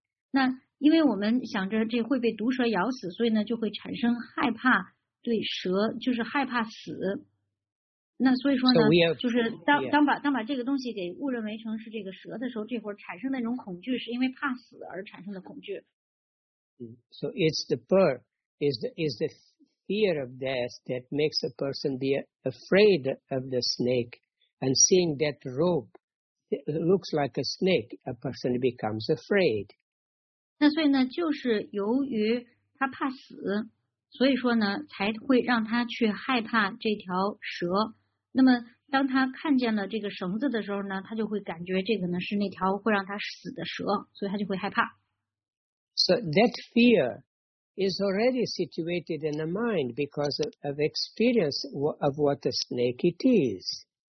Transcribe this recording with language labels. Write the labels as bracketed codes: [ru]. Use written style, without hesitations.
[zh] 那因为我们想着这会被毒蛇咬死，所以呢就会产生害怕，对蛇就是害怕死。那所以说呢， so、have, 就是当把这个东西给误认为成是这个蛇的时候，这会儿产生那种恐惧，是因为怕死而产生的恐惧。 [en] So it's the bird, is the fear of death that makes a person be afraid of the snake. And seeing that rope looks like a snake, a person becomes afraid. [zh] 那所以呢，就是由于他怕死，所以说呢，才会让他去害怕这条蛇。那么当他看见了这个绳子的时候呢，他就会感觉这个呢是那条会让他死的蛇，所以他就会害怕。 [en] So that fear is already situated in the mind because of experience of what a snake it is.